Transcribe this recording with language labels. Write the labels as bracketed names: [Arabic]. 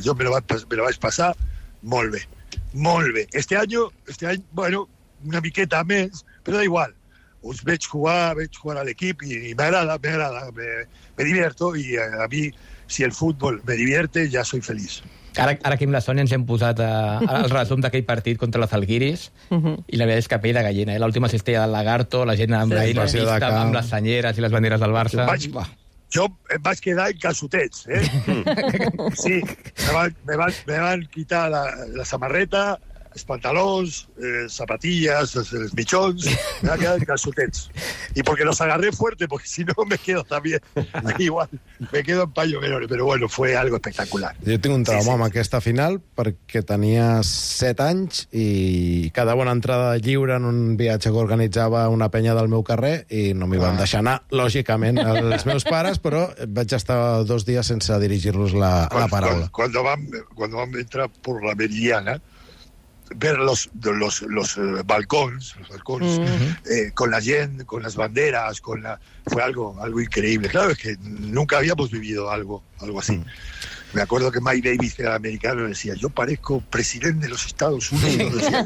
[Spanish] Yo me lo vais a pasar muy bien. Muy bien. Este año, bueno, [Catalan] una miqueta a mes, [Spanish] pero da igual. [Catalan] Os veig [Spanish] jugar al equipo y me agrada. Me divierto y a mí, si el fútbol me divierte, ya soy feliz. [Catalan] Ara que amb la Sònia ens hem posat al resum d'aquell partit contra la Zalgiris, i la veritat és que pell de gallina, eh? L'última cistella del Lagarto, la gent amb sí, la vista, amb les senyeres i les banderes del Barça. Jo em vaig quedar en calçotets, eh? Sí, [Spanish] me van quitar [Catalan] la samarreta, els pantalons, les zapatillas, els mitjons, me van quedar en calçotets. I perquè [Spanish] los agarré fuerte, porque si no me quedo también igual. Me quedo en paño menor, pero bueno, fue algo espectacular. [Catalan] Jo tinc un trauma amb aquesta final perquè tenia 7 anys i cada bona entrada lliure en un viatge que organitzava una penya del meu carrer i no m'hi van deixar anar, lògicament, els meus pares, però vaig estar 2 dies sense dirigir-los la paraula. [Spanish] Quan vam entrar per la Meridiana, ver los balcones, con la gente, con las banderas, fue algo increíble. Claro, es que nunca habíamos vivido algo así. Me acuerdo que Mike Davis, el americano, decía, yo parezco presidente de los Estados Unidos.